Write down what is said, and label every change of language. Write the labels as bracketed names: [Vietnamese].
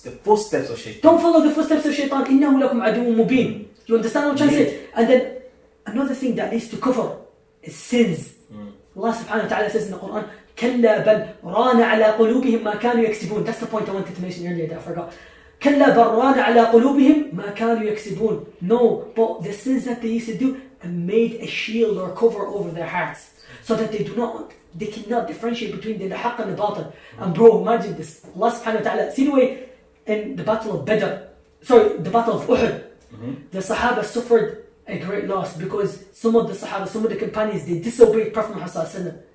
[English] The footsteps of shaitan. Don't follow the footsteps of shaitan. [Arabic] Innahu lakum aduun mubeen. [English] You understand what I'm trying to say? And then, another thing that leads to kufr is sins. Allah subhanahu wa ta'ala says in the Quran, [Arabic] كلا بل ران على قلوبهم ما كانوا يكسبون. [English] That's the point I wanted to mention earlier that I forgot. [Arabic] كلا بل ران على قلوبهم ما كانوا يكسبون. [English] No, but the sins that they used to do and made a shield or a cover over their hearts, so that they cannot differentiate between the haqq and the batil. And bro, imagine this. Allah subhanahu wa ta'ala, see the way in the battle of Badr, sorry, the battle of Uhud, the Sahaba suffered a great loss because some of the Sahaba, some of the companions, they disobeyed Prophet Muhammad sallallahu alaihi wasallam.